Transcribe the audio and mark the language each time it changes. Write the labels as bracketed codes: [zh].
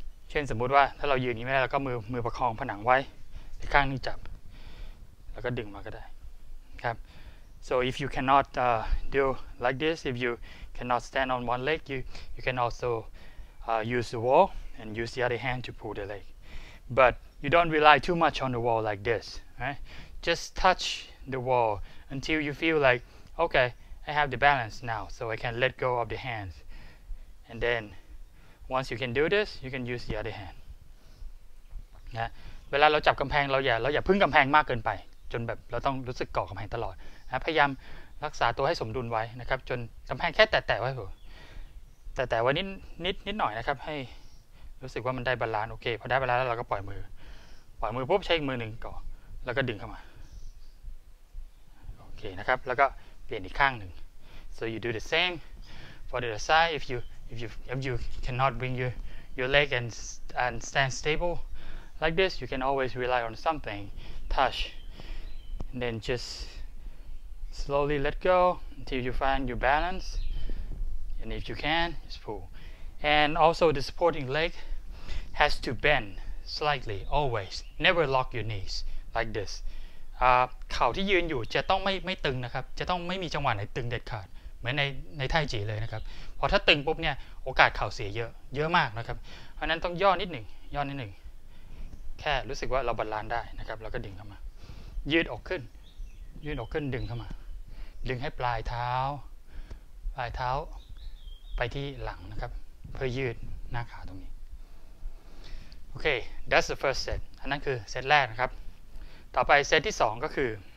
[th] เช่นสมมุติว่าถ้าเรายืนนี้ไม่ได้เราก็มือประคองผนังไว้ข้างนึงจับแล้วก็ดึงมาก็ได้ครับ [en] so if you cannot do like this if you cannot stand on one leg you can also use the wall and use the other hand to pull the leg but you don't rely too much on the wall like this right just touch the wallUntil you feel like, okay, I have the balance now, so I can let go of the hands. And then, once you can do this, you can use the other hand. [th] นะเวลาเราจับกำแพงเราอย่าพึ่งกำแพงมากเกินไปจนแบบเราต้องรู้สึกเกาะกำแพงตลอดนะพยายามรักษาตัวให้สมดุลไว้นะครับจนกำแพงแค่แตะๆไว้เถอะแตะๆไว้นิดหน่อยนะครับให้รู้สึกว่ามันได้บาลานซ์โอเคพอได้บาลานซ์แล้วเราก็ปล่อยมือปุ๊บใช้อีกมือหนึ่งเกาะแล้วก็ดึงเข้ามาโอเคนะครับแล้วก็เปลี่ยนอีกข้างหนึ่ง [en] so you do the same for the other side if you cannot bring your leg and stand stable Like this, you can always rely on something, touch, and then just slowly let go until you find your balance, and if you can, just pull. And also the supporting leg has to bend slightly, always, never lock your knees, like this. [th] ขาที่ยืนอยู่จะต้องไม่ตึงนะครับจะต้องไม่มีจังหวะไหนตึงเด็ดขาดเหมือนในท่าจีเลยนะครับพอถ้าตึงปุ๊บเนี่ยโอกาสเข่าเสียเยอะมากนะครับเพราะนั้นต้องย่อนิดหนึ่งย่อนิดหนึ่ง แค่รู้สึกว่าเราบาลานซ์ได้นะครับแล้วก็ดึงเข้ามายืดออกขึ้นยืดออกขึ้นดึงเข้ามาดึงให้ปลายเท้าไปที่หลังนะครับเพื่อยืดหน้าขาตรงนี้โอเค [en] that's the first set [th] อันนั้นคือเซตแรกนะครับต่อไปเซตที่2ก็คือ